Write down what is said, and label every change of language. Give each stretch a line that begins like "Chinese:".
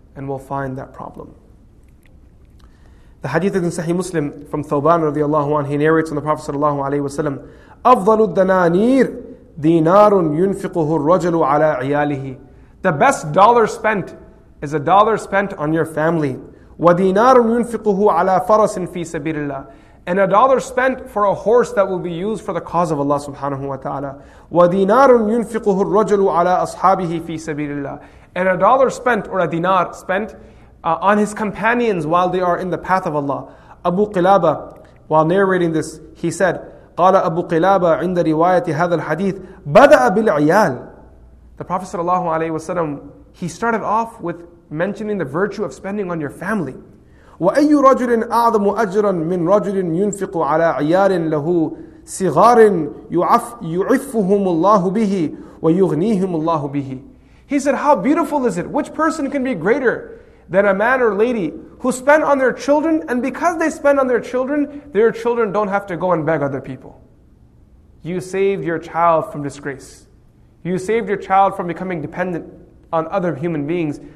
English: And we'll find that problem. The hadith is in Sahih Muslim from Thawban radiallahu anhu. He narrates on the Prophet sallallahu alayhi wa sallam,
Arabic: أَفْضَلُ الدَّنَانِيرُ دينار ينفقه الرجل على عياله.
English: The best dollar spent is a dollar spent on your family.
Arabic: ودينار ينفقه على فرس في سبيل الله.
English: And a dollar spent for a horse that will be used for the cause of Allah subhanahu wa ta'ala.
Arabic: ودينار ينفقه الرجل على أصحابه في سبيل الله.
English: And a dollar spent or a dinar spent on his companions while they are in the path of Allah. Abu Qilaba, while narrating this, he said,
Arabic: قال أبو قلابة عند رواية هذا الحديث بدأ بالعيال.
English: The Prophet sallallahu alaihi wasallam, he started off with mentioning the virtue of spending on your family.
Arabic: وأي رجل أعظم أجرا من رجل ينفق على عيال له صغار يعفهم الله به ويغنيهم الله به.
English: He said, how beautiful is it? Which person can be greater than a man or lady who spend on their children, and because they spend on their children don't have to go and beg other people. You saved your child from disgrace. You saved your child from becoming dependent on other human beings.